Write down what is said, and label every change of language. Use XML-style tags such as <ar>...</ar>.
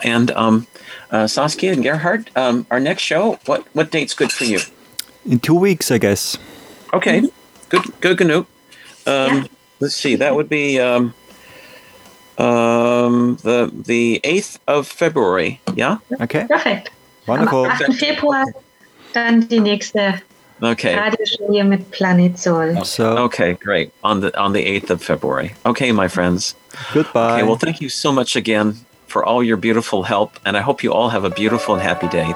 <en>And Saskia and Gerhard, our next show, what date's good for you? In 2 weeks, I guess. Okay, good</en> <de>genug.</de> <en>Let's see, that would be the 8th of February, yeah? Okay. Perfect. Wonderful.</en> <de>Am 8. Februar, dann die nächste Radio Show hier mit Planet Sol.</de> <en>So. Okay, great. On the 8th of February. Okay, my friends. Goodbye. Okay, well, thank you so much again for all your beautiful help, and I hope you all have a beautiful and happy day.</en>